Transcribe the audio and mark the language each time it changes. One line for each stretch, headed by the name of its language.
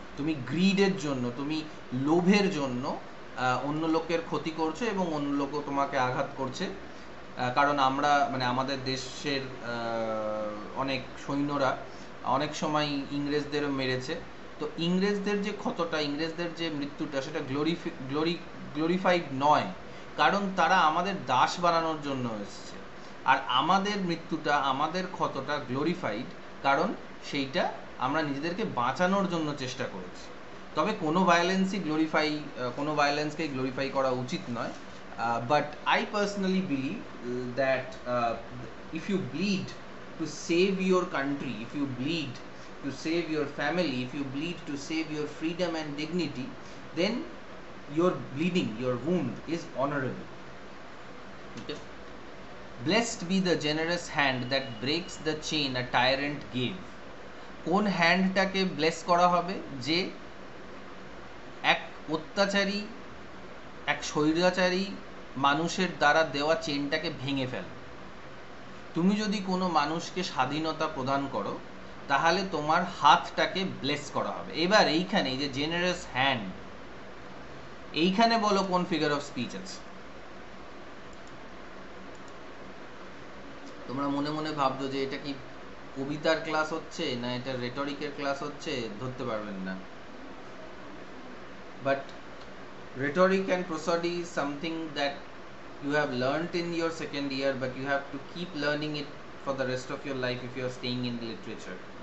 Bangla: তুমি গ্রিডের জন্য, তুমি লোভের জন্য অন্য লোকের ক্ষতি করছো এবং অন্য লোকও তোমাকে আঘাত করছে, কারণ আমরা মানে আমাদের দেশের অনেক সৈন্যরা অনেক সময় ইংরেজদেরও মেরেছে, তো ইংরেজদের যে ক্ষতটা, ইংরেজদের যে মৃত্যুটা, সেটা গ্লোরিফাইড নয়, কারণ তারা আমাদের দাস বানানোর জন্য এসেছে। আর আমাদের মৃত্যুটা, আমাদের ক্ষতটা গ্লোরিফাইড, কারণ সেইটা আমরা নিজেদেরকে বাঁচানোর জন্য চেষ্টা করেছি। তবে কোনো ভায়োলেন্সই গ্লোরিফাই, কোনো ভায়োলেন্সকে গ্লোরিফাই করা উচিত নয়।
English: But I personally believe that if you bleed to save your country, if you bleed to save your family, if you bleed to save your freedom and dignity, then your bleeding, your wound is honorable. Blessed be the generous hand that breaks the chain a tyrant gave.
Bangla: Kon hand ta ke bless kora hobe? Je ek ottachari, ek shoiryachari মানুষের দ্বারা দেওয়া চেনটাকে ভেঙে fail. তুমি যদি কোনো মানুষকে স্বাধীনতা প্রদান করো, তাহলে তোমার হাতটাকে ব্লেস করা হবে। এবার এইখানে যে জেনারেস হ্যান্ড, এইখানে বলো কোন ফিগার অফ স্পিচ আছে? তোমরা মনে মনে ভাবছো যে এটা কি কবিতার ক্লাস হচ্ছে না এটা রেটরিকের ক্লাস হচ্ছে, ধরতে পারবেন না।
English: But rhetoric and prosody is something that you have learnt in your second year, but you have to keep learning it for the rest of your life if you are staying in the literature.